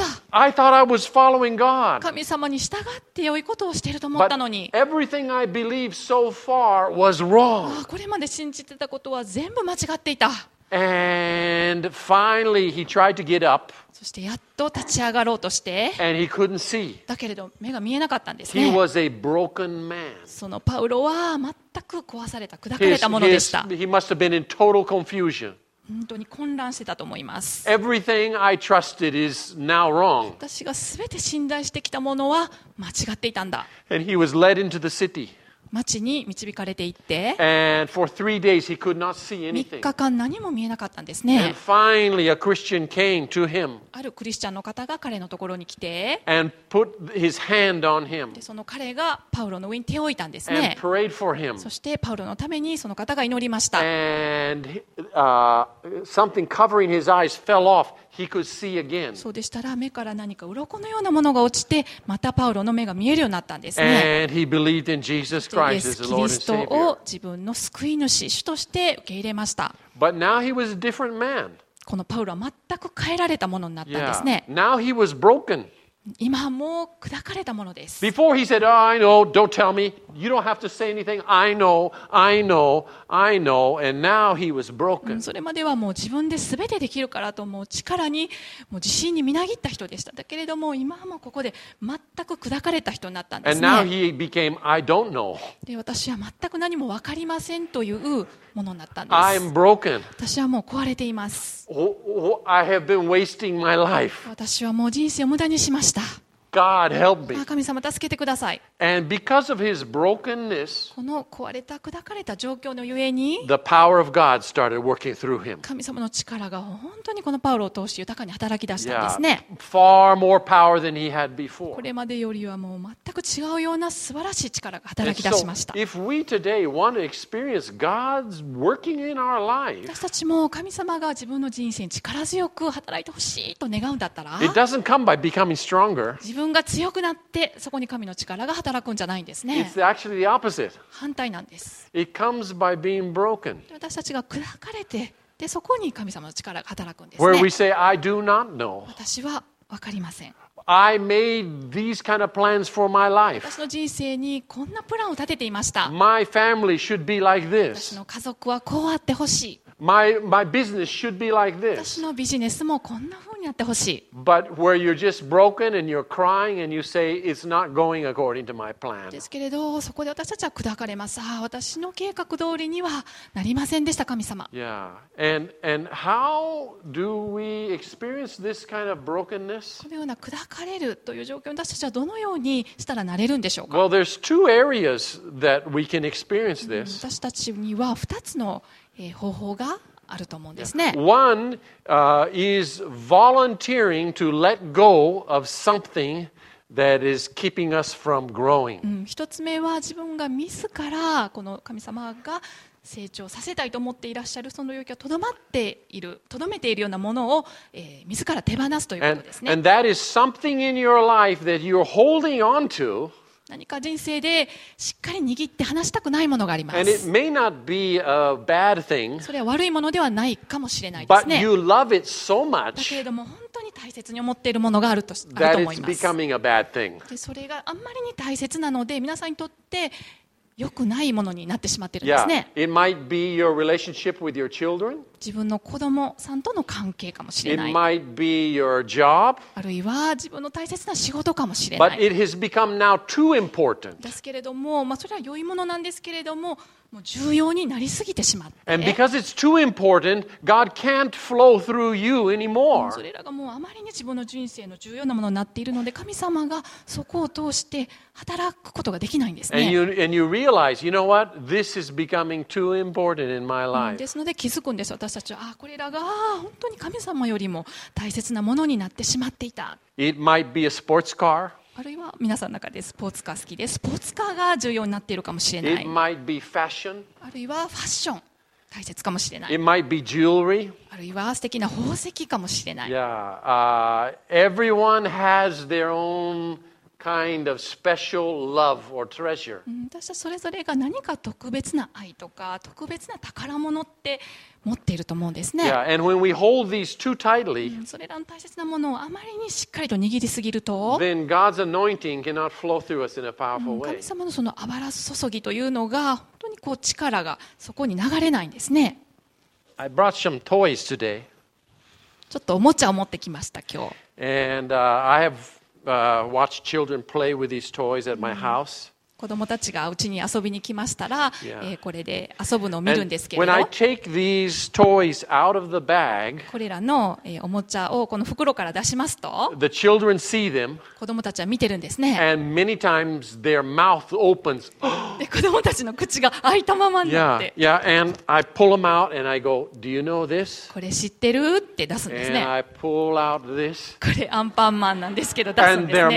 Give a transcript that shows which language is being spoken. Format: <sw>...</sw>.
<en>I thought I was following God.</en> <ja>神様に従って良いことをしていると思ったのに。</ja> <en>But everything I believed so far was wrong.</en> <ja>これまで信じてたことは全部間違っていた。</ja> <en>And finally he tried to get up.</en> <ja>そしてやっと立ち上がろうとして。</ja> <en>And he couldn't see.</en> <ja>だけれど目が見えなかったんですね。</ja> <en>He was a broken man.</en> <ja>そのパウロは全く壊された、砕かれたものでした。</ja> <en>He must have been in total confusion.</en> <ja>本当に混乱してたと思います。</ja> <en>Everything I trusted is now wrong.</en> <ja>私が全て信頼してきたものは間違っていたんだ。</ja> <en>And he was led into the city.</en> <ja>町に導かれていって。</ja> <en>And for three days he could not see anything. 3</en> <ja>日間何も見えなかったんですね。</ja> <en>And finally a Christian came to him.</en> <ja>あるクリスチャンの方が彼のところに来て。</ja> <en>And put his hand on him.</en> <ja>でその彼がパウロの上に手を置いたんですね。</ja> <en>And prayed for him.</en> <ja>そしてパウロのためにその方が祈りました。</ja> <en>And something covering his eyes fell off. He could see again.</en> <ja>そうでしたら目から何か鱗のようなものが落ちてまたパウロの目が見えるようになったんですね。</ja> <en>And he believed in Jesus Christ as Lord and Savior.</en> <ja>イエス・キリストを自分の救い主、主として受け入れました。</ja> <en>But now he was a different man.</en> <ja>このパウロは全く変えられたものになったんですね。</ja> <en>Yeah. Now he was broken.</en> <ja>今もう砕かれたものです。</ja> <en>Before he said, oh, I know, don't tell me. You don't have to say anything. I know, I know, I know. And now he was broken.</en> <ja>それまではもう自分で全てできるからと、もう力に、もう自信にみなぎった人でした。だけれども、今はもうここで全く砕かれた人になったんですね。</ja> <en>And now he became, I don't know.</en> <ja>で、私は全く何も分かりませんというものになったんです。</ja> <en>I'm broken.</en> <ja>私はもう壊れています。</ja> <en>Oh, oh, I have been wasting my life.</en> <ja>私はもう人生を無駄にしました。</ja> <en>God help me.</en> <ja>神様助けてください。</ja> <en>And because of his brokenness,</en> <ja>この壊れた砕かれた状況のゆえに、</ja> <en>the power of God started working through him.</en> <ja>神様の力が本当にこのパウロを通して豊かに働き出したんですね。</ja> <en>Far more power than he had before.</en> <ja>これまでよりはもう全く違うような素晴らしい力が働き出しました。</ja> <en>If we today want to experience God's working in our life,</en> <ja>私たちも神様が自分の人生に力強く働いてほしいと願うんだったら、</ja> <en>it doesn't come by becoming stronger.</en> <ja>自分が強くなってそこに神の力が働くんじゃないんですね。</ja> <en>It's actually the opposite.</en> <ja>反対なんです。</ja> <en>It comes by being broken.</en> <ja>私たちが砕かれて、でそこに神様の力が働くんですね。</ja> <en>Where we say, I do not know.</en> <ja>私は分かりません。</ja> <en>I made these kind of plans for my life.</en> <ja>私の人生にこんなプランを立てていました。</ja> <en>My family should be like this.</en> <ja>私の家族はこうあってほしい。</ja> <en>My business should be like this.</en> <ja>私のビジネスもこんな風にやってほしい。</ja> <en>But where you're just broken and you're crying and you say it's not going according to my plan.</en> <ja>ですけれど、そこで私たちは砕かれます。ああ、私の計画通りにはなりませんでした、神様。 Yeah.</ja> <en>And how do we experience this kind of brokenness?</en> <ja>このような砕かれるという状況に私たちはどのようにしたらなれるんでしょうか。</ja> <en>Well, there's two areas that we can experience this.</en> <ja>私たちには二つの方法があると思うんですね。</ja> <en>One, is volunteering to let go of something that is keeping us from growing.</en> <ja>一つ目は自分が自らこの神様が成長させたいと思っていらっしゃるその領域をとどまっている、とどめているようなものを、自ら手放すということですね。</ja> <en>And that is something in your life that you're holding on to.</en> <ja>何か人生でしっかり握って離したくないものがあります。</ja> <en>And it may not be a bad thing,</en> <ja>それは悪いものではないかもしれないですね。</ja> <en>But you love it so much,</en> <ja>だけれども本当に大切に思っているものがある と思います。</ja> <en>That it's becoming a bad thing.</en> <ja>でそれがあんまりに大切なので皆さんにとって良くないものになってしまっているんですね。</ja> <en>Yeah, it might be your relationship with your children.</en> <ja>自分の子供さんとの関係かもしれない。</ja> <en>It might be your job.</en> <ja>あるいは自分の大切な仕事かもしれない。</ja> <en>But it has become now too important.</en> <ja>ですけれども、まあ、それは良いものなんですけれども、もう重要になりすぎてしまって。</ja> <en>And because it's too important, God can't flow through you anymore.</en> <ja>それらがもうあまりに自分の人生の重要なものになっているので、神様がそこを通して働くことができないんですね。</ja> <en>And you realize, you know what? This is becoming too important in my life.</en> <ja>ですので気づくんです。私たちは、あ、これらが本当に神様よりも大切なものになってしまっていた。</ja> <en>It might be a sports car.</en> <ja>あるいは皆さんの中でスポーツカー好きでスポーツカーが重要になっているかもしれない。</ja> <en>It might be fashion.</en> <ja>あるいはファッション大切かもしれない。</ja> <en>It might be jewelry.</en> <ja>あるいは素敵な宝石かもしれない。 Yeah.</ja> <en>Everyone has their own kind of special love or treasure.</en> <ja>私はそれぞれが何か特別な愛とか特別な宝物って持っていると思うんですね。</ja> <en>Yeah, and when we hold these too tightly,</en> <ja>それらの大切なものをあまりにしっかりと握りすぎると、</ja> <en>then God's anointing cannot flow through us in a powerful way.</en> <ja>神様のその油注ぎというのが本当にこう力がそこに流れないんですね。</ja> <en>I brought some toys today.</en> <ja>ちょっとおもちゃを持ってきました今日。</ja> <en>And I have watched children play with these toys at my house.</en> <ja>子供たちがうちに遊びに来ましたら、yeah. これで遊ぶのを見るんですけれど</ja> <en>when I take these toys out of the bag,</en> <ja>これらの、おもちゃをこの袋から出しますと</ja> <en>the children see them,</en> <ja>子供たちは見てるんですね</ja> <en>and many times their mouth opens.</en> <ja>で子供たちの口が開いたままになって</ja> <en>yeah, yeah. And I pull them out and I go, Do you know this?</en> <ja>これ知ってるって出すんですね</ja> <en>and I pull out this,</en> <ja>これアンパンマンなんですけど出すんですね</ja>